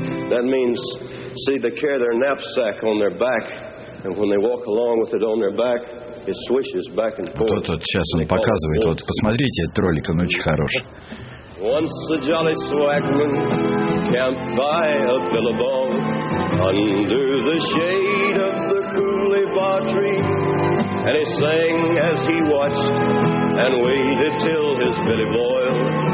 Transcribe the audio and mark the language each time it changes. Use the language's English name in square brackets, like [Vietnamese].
[English] That means, see, they carry their knapsack on their back, and when they walk along with it on their back, it swishes back and forth. [Russian] Вот, вот сейчас он показывает. Вот посмотрите этот ролик, он очень хорош. [English] Once a jolly swagman camped by a billabong under the shade of the coolie bar tree. And he sang as he watched and waited till his belly boiled.